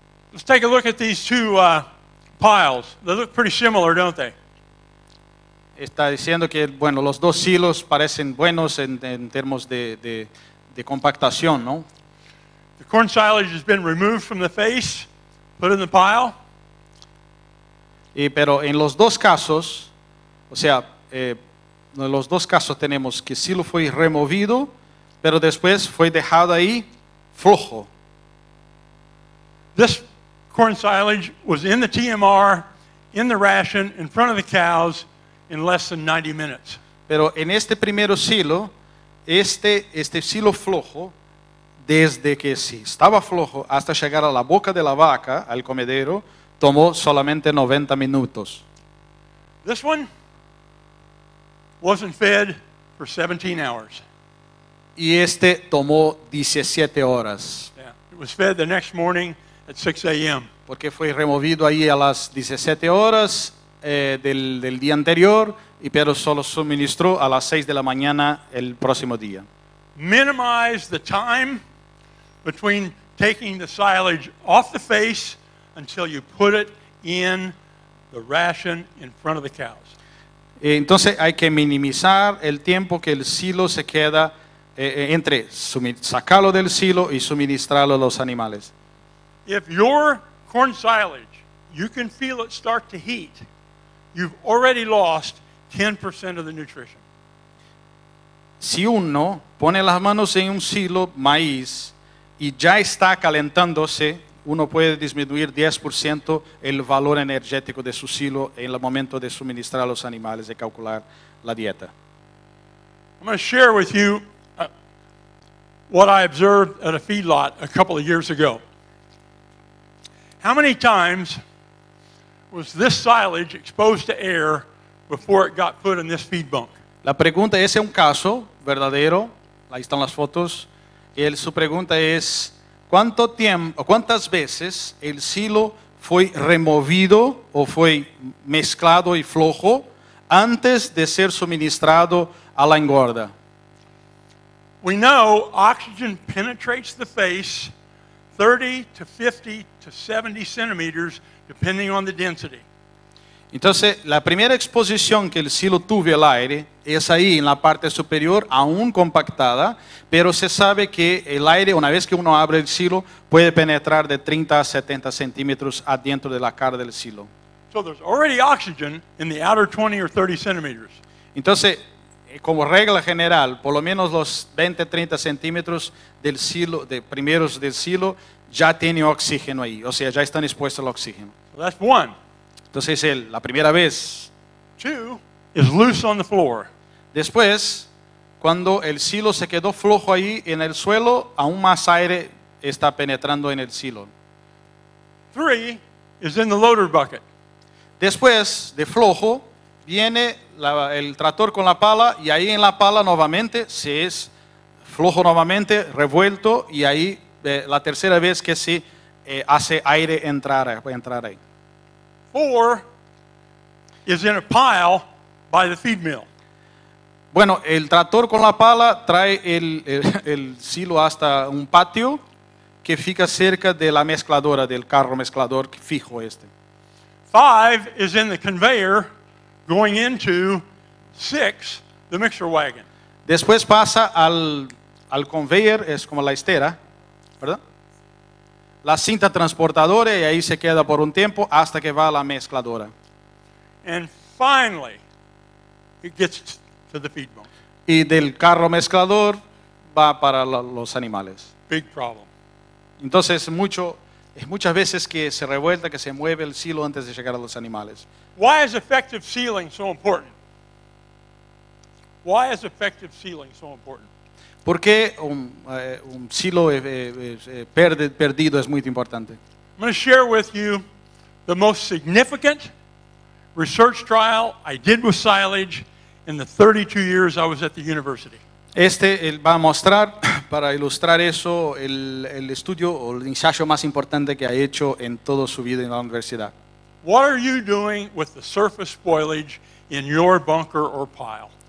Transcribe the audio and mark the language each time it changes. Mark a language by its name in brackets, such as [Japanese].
[English] Let's take a look at these two piles. They look pretty similar, don't they? [Spanish] Está diciendo que, bueno, los dos silos parecen buenos en términos de compactación, ¿no? [English] The corn silage has been removed from the face, put in the pile. [Spanish] Y pero en los dos casos, o sea, en los dos casos tenemos que silo fue removido, pero después fue dejado ahí flojo. [English] This corn silage was in the TMR, in the ration, in front of the cows, in less than 90 minutes. [Spanish] Pero en este primero silo, este silo flojo, desde que sí estaba flojo hasta llegar a la boca de la vaca, al comedero, tomó solamente 90 minutos. [English] This one wasn't fed for 17 hours. [Spanish] Y este tomó 17 horas. [English] Yeah. It was fed the next morning at 6 a.m. [Spanish] Porque fue removido ahí a las 17 horas del día anterior, y pero solo suministró a las 6 de la mañana el próximo día. [English] Minimize the time between taking the silage off the face until you put it in the ration in front of the cows. [Spanish] Entonces hay que minimizar el tiempo que el silo se queda entre sacarlo del silo y suministrarlo a los animales. [English] If your corn silage, you can feel it start to heat, you've already lost 10% of the nutrition. [Spanish] Si uno pone las manos en un silo maíz y ya está calentándose, uno puede disminuir 10% el valor energético de su silo en el momento de suministrar a los animales y calcular la dieta. [English] I'm going to share with you what I observed at a feedlot a couple of years ago. How many times was this silage exposed to air before it got put in this feed bunk? [Spanish] La pregunta es, ¿es un caso verdadero? Ahí están las fotos. Su pregunta es, ¿cuánto tiempo, cuántas veces el silo fue removido o fue mezclado y flojo antes de ser suministrado a la engorda? [English] We know oxygen penetrates the face 30 to 50 to 70 centimeters depending on the density. [Spanish] Entonces, la primera exposición que el silo tuvo al aire es ahí en la parte superior, aún compactada, pero se sabe que el aire, una vez que uno abre el silo, puede penetrar de 30 a 70 centímetros adentro de la cara del silo. [English] So there's already oxygen in the outer 20 or 30 centimeters. [Spanish] Entonces, como regla general, por lo menos los 20 o 30 centímetros del silo, de primeros del silo, ya tiene oxígeno ahí, o sea, ya están expuestos al oxígeno. [English] So that's one. [Spanish] Entonces, la primera vez. [English] Two is loose on the floor. [Spanish] Después, cuando el silo se quedó flojo ahí en el suelo, aún más aire está penetrando en el silo. [English] Three is in the loader bucket. [Spanish] Después, de flojo, viene el tractor con la pala, y ahí en la pala nuevamente se es flojo nuevamente, revuelto, y ahí la tercera vez que se hace aire entrar ahí. [English] Four is in a pile by the feed mill. [Spanish] Bueno, el tractor con la pala trae el silo hasta un patio que fica cerca de la mezcladora, del carro mezclador fijo este. [English] 5 is in the conveyor going into 6, the mixer wagon. [Spanish] Después pasa al conveyor, es como la estera, ¿verdad? La cinta transportadora y ahí se queda por un tiempo hasta que va a la mezcladora. [English] And finally, it gets to the feed bunk. [Spanish] Y del carro mezclador va para los animales. [English] Big problem. [Spanish] Entonces es muchas veces que se revuelta, que se mueve el silo antes de llegar a los animales. [English] Why is effective sealing so important? Why is effective sealing so important? [Spanish] ¿Por qué un silo perdido es muy importante? [English] I'm going to share with you the most significant research trial I did with silage in the 32 years I was at the university. [Spanish] Este va a mostrar, para ilustrar eso, el estudio o el ensayo más importante que ha hecho en toda su vida en la universidad. [English] What are you doing with the surface spoilage in your bunker or pile?